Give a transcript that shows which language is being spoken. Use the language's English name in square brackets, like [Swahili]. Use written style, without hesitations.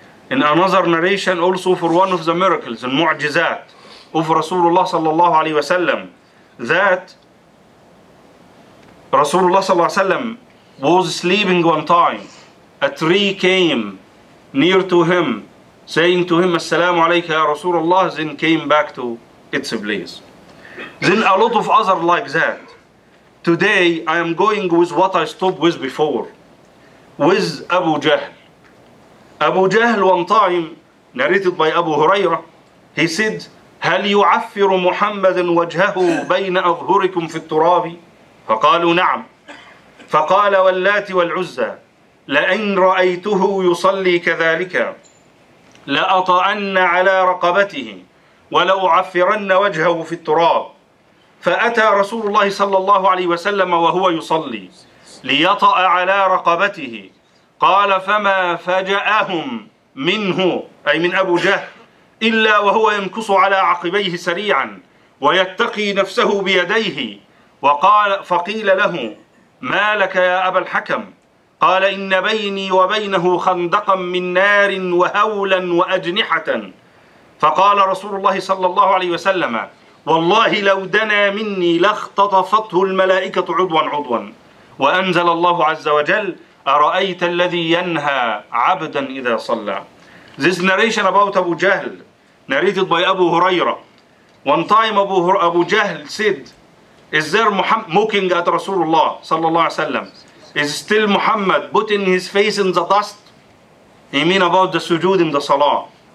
[English] In another narration, also for one of the miracles, in mu'jizat of Rasulullah sallallahu alayhi wa sallam, that Rasulullah sallallahu alayhi wa sallam was sleeping one time, a tree came near to him, saying to him, As-salamu alayka ya Rasulullah, then came back to its place. Then a lot of other like that. Today, I am going with what I stopped with before. With Abu Jahl. Abu Jahl one time, narrated by Abu Huraira, he said, [Arabic] هل يعفر محمد وجهه بين أظهركم في التراب؟ فقالوا نعم. فقال واللات والعزى لئن رأيته يصلي كذلك لأطعن على رقبته ولو عفرن وجهه في التراب. فأتى رسول الله صلى الله عليه وسلم وهو يصلي ليطأ على رقبته، قال فما فجأهم منه أي من أبو جهل إلا وهو ينكص على عقبيه سريعا ويتقي نفسه بيديه. وقال فقيل له ما لك يا أبا الحكم؟ قال إن بيني وبينه خندقا من نار وهولا وأجنحة. فقال رسول الله صلى الله عليه وسلم والله لو دنا مني لاختطفته الملائكة عضوا عضوا. وأنزل الله عز وجل أرأيت الذي ينهى عبدا إذا صلى. [English] This narration about Abu Jahl narrated by Abu Huraira. One time Abu Jahl said, is there Muhammad mocking at Rasulullah sallallahu alayhi wa sallam? Is still Muhammad putting his face in the dust? He mean about the sujood in the salah.